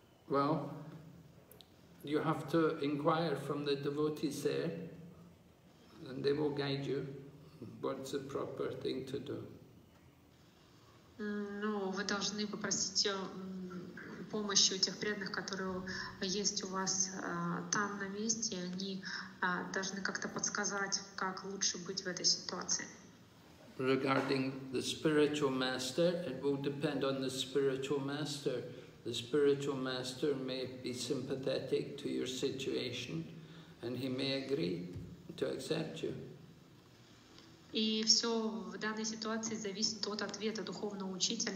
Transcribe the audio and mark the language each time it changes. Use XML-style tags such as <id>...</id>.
<en>Well, you have to inquire from the devotees there, and they will guide you what's the proper thing to do.</en> <ru>No, вы должны попросить помощи у тех преданных, которые есть у вас там на месте, они должны как-то подсказать, как лучше быть в этой ситуации.</ru> <en>Regarding the spiritual master, it will depend on the spiritual master. The spiritual master may be sympathetic to your situation, and he may agree to accept you.</en> <ru>И все в данной ситуации зависит от ответа духовного учителя.</ru>